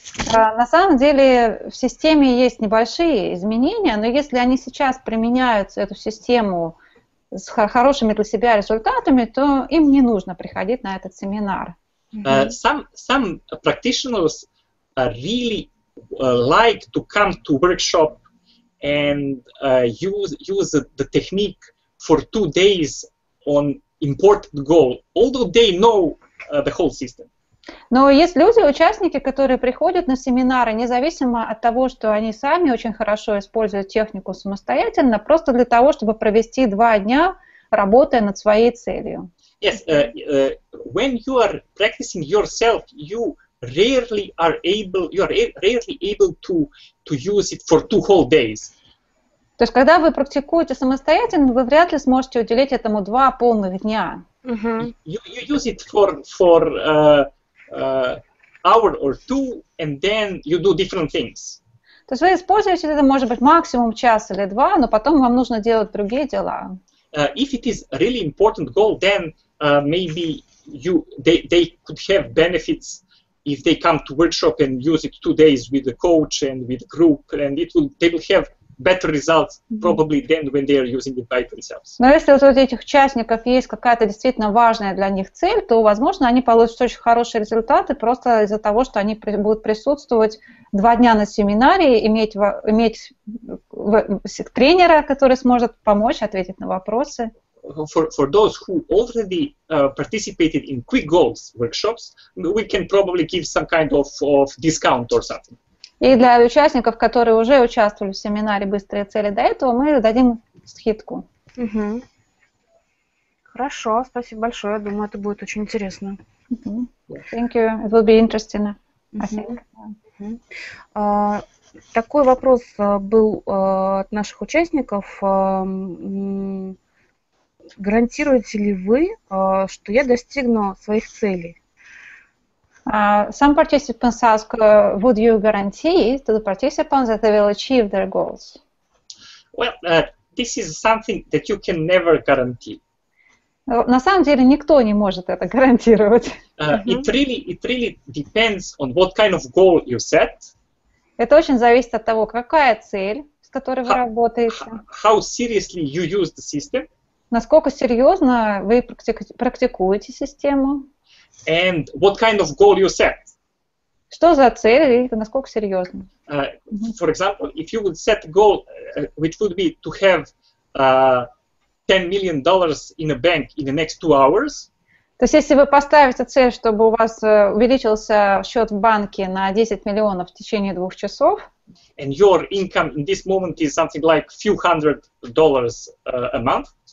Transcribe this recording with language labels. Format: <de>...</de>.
<ru>На самом деле в системе есть небольшие изменения, но если они сейчас применяют эту систему с хорошими для себя результатами, то им не нужно приходить на этот семинар.</ru> <en>Some practitioners really like to come to workshop and use the technique for 2 days on important goal, although they know the whole system.</en> <ru>Но есть люди, участники, которые приходят на семинары, независимо от того, что они сами очень хорошо используют технику самостоятельно, просто для того, чтобы провести 2 дня, работая над своей целью.</ru> <en>Yes, when you are practicing yourself, you rarely are able, you are rarely able to use it for 2 whole days.</en> <ru>То есть, когда вы практикуете самостоятельно, вы вряд ли сможете уделить этому 2 полных дня.</ru> <en>You use it for hour or two, and then you do different things.</en> <ru>То есть вы используете это, может быть, максимум 1 или 2, но потом вам нужно делать другие дела.</ru> <en>If it is really important goal, then maybe they could have benefits if they come to workshop and use it 2 days with the coach and with group, and they will have better results probably than when they are using it by themselves.</en> <ru>Но если вот у этих участников есть какая-то действительно важная для них цель, то, возможно, они получат очень хорошие результаты просто из-за того, что они будут присутствовать 2 дня на семинаре, иметь тренера, который сможет помочь ответить на вопросы.</ru> <en>For those who already participated in Quick Goals workshops, we can probably give some kind of discount or something.</en> <ru>И для участников, которые уже участвовали в семинаре «Быстрые цели» до этого, мы дадим скидку. Хорошо, спасибо большое. Я думаю, это будет очень интересно.</ru> <en>Thank you. It will be interesting, I think.</en> <ru>Такой вопрос был от наших участников. Гарантируете ли вы, что я достигну своих целей?</ru> <en>Some participants ask, would you guarantee to the participants that they will achieve their goals? Well, this is something that you can never guarantee.</en> <ru>На самом деле никто не может это гарантировать.</ru> <en>It really depends on what kind of goal you set.</en> <ru>Это очень зависит от того, какая цель, с которой вы работаете.</ru> <en>How seriously you use the system.</en> <ru>Насколько серьезно вы практикуете систему.</ru> <en>And what kind of goal you set?</en> <ru>Что за цель и насколько серьезно?</ru> <en>For example, if you would set a goal, which would be to have $10 million in a bank in the next 2 hours.</en> <ru>То есть если вы поставите цель, чтобы у вас увеличился счет в банке на 10 миллионов в течение 2 часов.</ru> <en>And your income in this moment is something like few hundred dollars a month.</en>